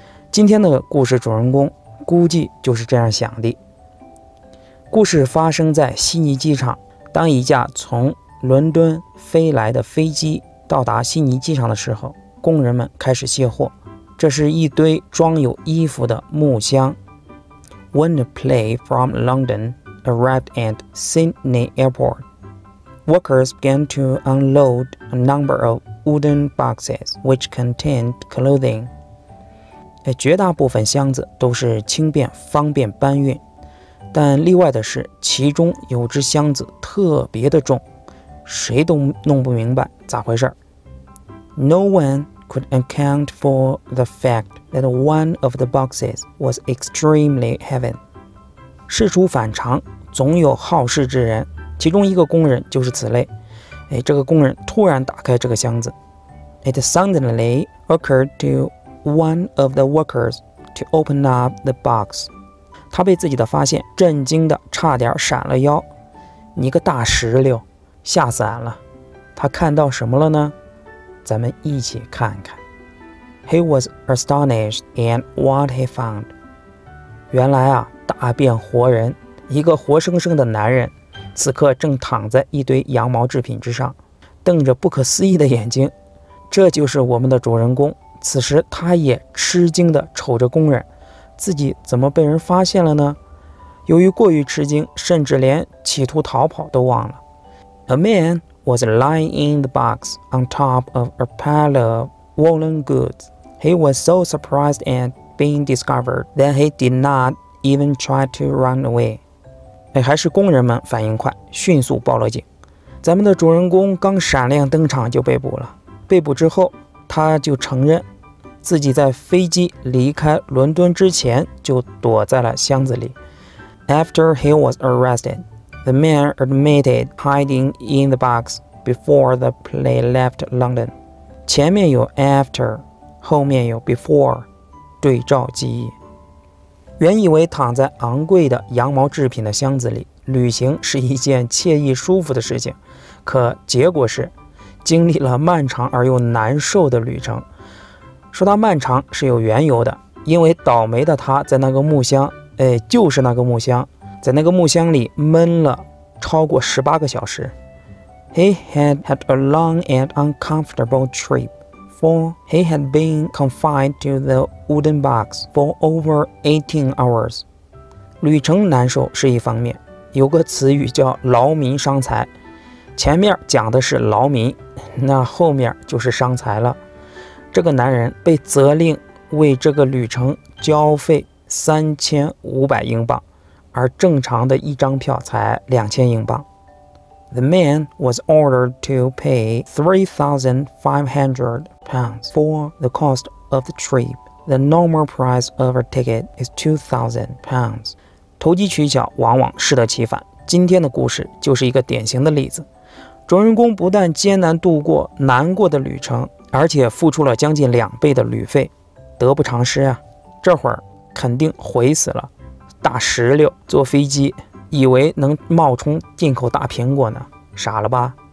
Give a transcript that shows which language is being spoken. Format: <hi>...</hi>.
<zh>今天的故事主人公估计就是这样想的。故事发生在悉尼机场，当一架从伦敦飞来的飞机到达悉尼机场的时候，工人们开始卸货。这是一堆装有衣服的木箱。</zh> <en>When the plane from London arrived at Sydney Airport, workers began to unload a number of wooden boxes which contained clothing.</en> <zh>绝大部分箱子都是轻便方便搬运，但例外的是其中有只箱子特别的重，谁都弄不明白咋回事。</zh> <en>No one could account for the fact that one of the boxes was extremely heavy.</en> <zh>事出反常，总有好事之人，其中一个工人就是此类。这个工人突然打开这个箱子。</zh> <en>It suddenly occurred to one of the workers to open up the box.</en> <zh>他被自己的发现震惊的差点闪了腰。你个大石榴，吓散了。他看到什么了呢？咱们一起看看。</zh> <en>He was astonished at what he found.</en> <zh>原来啊，大变活人，一个活生生的男人，此刻正躺在一堆羊毛制品之上，瞪着不可思议的眼睛。这就是我们的主人公。此时他也吃惊地瞅着工人，自己怎么被人发现了呢？由于过于吃惊，甚至连企图逃跑都忘了。</zh> <en>A man was lying in the box on top of a pile of woolen goods. He was so surprised at being discovered that he did not even try to run away.</en> <zh>还是工人们反应快，迅速报了警。咱们的主人公刚闪亮登场就被捕了。被捕之后，他就承认自己在飞机离开伦敦之前就躲在了箱子里。</zh> <en>After he was arrested, the man admitted hiding in the box before the plane left London.</en> <zh>前面有 after, 后面有 before, 对照记忆。原以为躺在昂贵的羊毛制品的箱子里旅行是一件惬意舒服的事情，可结果是经历了漫长而又难受的旅程。说它漫长是有缘由的，因为倒霉的他在那个木箱，就是那个木箱，在那个木箱里闷了超过18个小时。</zh> <en>He had had a long and uncomfortable trip, for he had been confined to the wooden box for over 18 hours.</en> <zh>旅程难受是一方面，有个词语叫劳民伤财。前面讲的是劳民，那后面就是伤财了。这个男人被责令为这个旅程交费3500英镑，而正常的一张票才2000英镑。</zh> <en>The man was ordered to pay £3,500 for the cost of the trip. The normal price of a ticket is £2,000.</en> <zh>投机取巧往往适得其反，今天的故事就是一个典型的例子。主人公不但艰难度过难过的旅程，而且付出了将近2倍的旅费，得不偿失啊！这会儿肯定悔死了。大石榴坐飞机，以为能冒充进口大苹果呢，傻了吧？</zh>